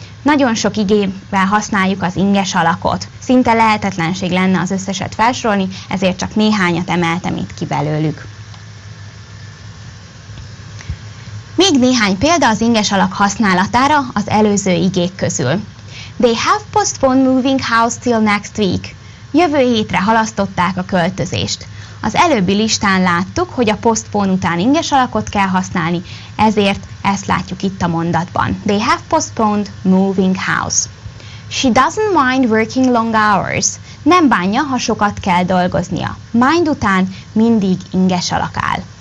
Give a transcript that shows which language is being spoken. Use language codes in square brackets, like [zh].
[hu] Nagyon sok igével használjuk az inges alakot. Szinte lehetetlenség lenne az összeset felsorolni, ezért csak néhányat emeltem itt ki belőlük. Még néhány példa az inges alak használatára az előző igék közül. [en] They have postponed moving house till next week. [hu] Jövő hétre halasztották a költözést. Az előbbi listán láttuk, hogy a postpone után inges alakot kell használni, ezért ezt látjuk itt a mondatban. [en] They have postponed moving house. She doesn't mind working long hours. [hu] Nem bánja, ha sokat kell dolgoznia. Mind után mindig inges alak áll.